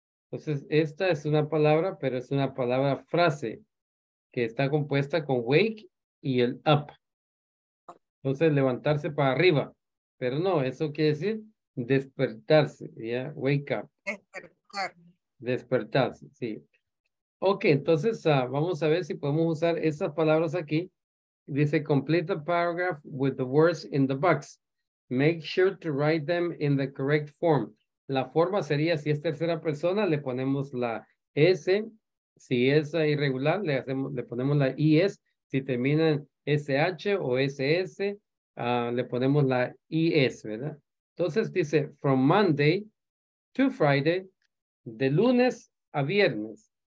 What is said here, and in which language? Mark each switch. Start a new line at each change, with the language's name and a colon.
Spanish: Entonces, esta es una palabra, pero es una palabra frase que está compuesta con wake y el up. Entonces, levantarse para arriba. Pero no, eso quiere decir despertarse, ¿ya? Wake up. Despertar. Despertarse, sí. Ok, entonces, vamos a ver si podemos usar estas palabras aquí.
English: Dice, complete the paragraph with the words in the box. Make sure to write them in the correct form.
Spanish: La forma sería, si es tercera persona, le ponemos la S. Si es irregular, le ponemos la IS. Si termina en SH o SS, le ponemos la IS, ¿verdad? Entonces dice,
English: from Monday to Friday,
Spanish: de lunes a viernes.